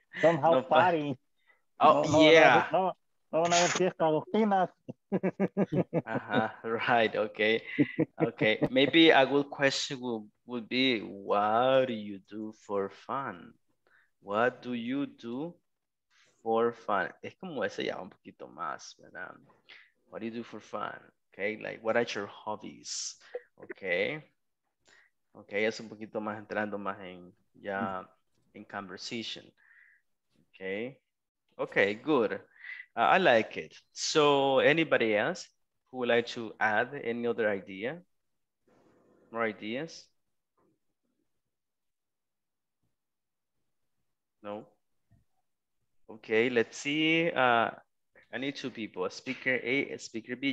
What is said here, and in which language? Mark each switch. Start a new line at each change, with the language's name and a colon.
English: Right, okay. Maybe a good question would be, what do you do for fun? What do you do for fun?
Spanish: Es como ese ya un poquito más, ¿verdad?
English: What do you do for fun? Okay, like, what are your hobbies?
Spanish: Okay, es un poquito más entrando más en ya en conversation.
English: Okay, good. I like it. So, anybody else who would like to add any other idea? More ideas? No? Okay, let's see. I need two people, speaker A, speaker B.